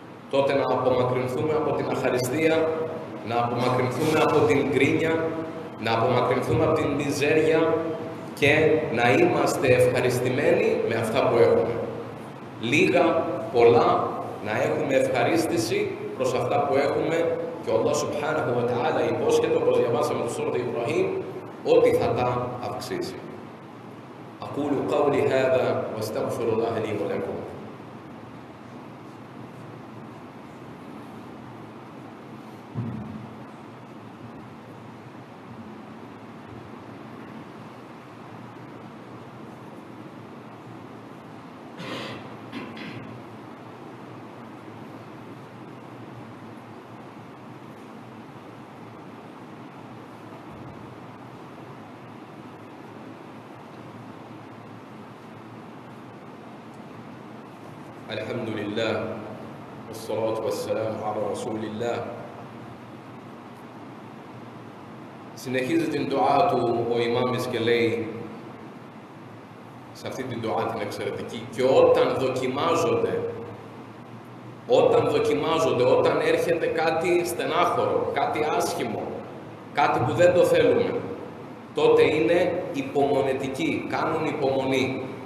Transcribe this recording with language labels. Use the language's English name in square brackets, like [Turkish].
[Greek] τότε να απομακρυνθούμε από την αχαριστία, να απομακρυνθούμε από την γκρίνια, να απομακρυνθούμε από την μιζέρια και να είμαστε ευχαριστημένοι με αυτά που έχουμε. Λίγα, πολλά, να έχουμε ευχαρίστηση προς αυτά που έχουμε και ο Αλλάχ Σουμπχάνεχου Βατεάλα υπόσχεται, όπως διαβάσαμε στο Σούρα Ιμπραχήμ, ότι θα τα αυξήσει. [Arabic] أقول قولي هذا واستغفر الله لي ولكم. الحمد لله والصلاة والسلام على رسول الله. [Greek] Συνεχίζει την δουά του ο ημάμις και λέει σε αυτή την δουά την εξαιρετική «Και όταν δοκιμάζονται, όταν έρχεται κάτι στενάχωρο, κάτι άσχημο, κάτι που δεν το θέλουμε, τότε είναι υπομονετικοί, κάνουν υπομονή».